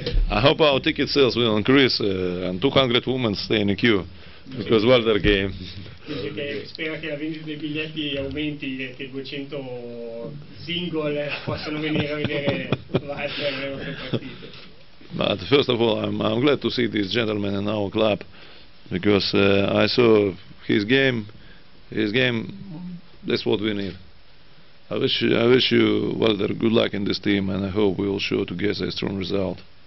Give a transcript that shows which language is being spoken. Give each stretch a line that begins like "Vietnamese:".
English: I hope our ticket sales will increase and 200 women stay in the queue because Walter came.
Italian: Spera che la vendita dei biglietti aumenti e che 200 single possano venire a vedere Walter nelle nostre partite.
English: But first of all, I'm glad to see this gentleman in our club because I saw his game. His game, that's what we need. I wish you, Walter, good luck in this team, and I hope we will show together a strong result.